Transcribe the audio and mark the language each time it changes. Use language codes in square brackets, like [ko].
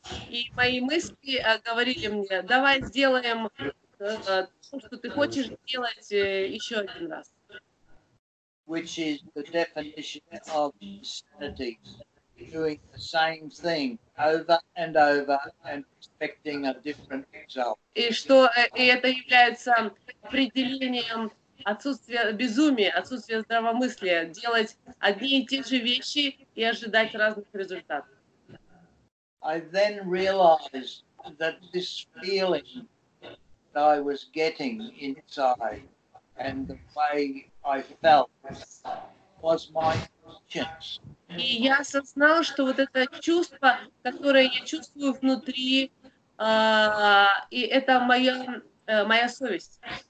[ru] И мои мысли говорили мне, давай сделаем... что ты хочешь делать еще один раз. [en] Which is the definition of insanity. Doing the same thing over and over and expecting a different result. [ru] И что и это является определением отсутствия безумия, отсутствия здравомыслия, делать одни и те же вещи и ожидать разных результатов. [en] I then realized that this feeling I was getting inside and the way I felt was my conscience. [ru] И я осознал, что вот это чувство, которое я чувствую внутри, и это моя совесть.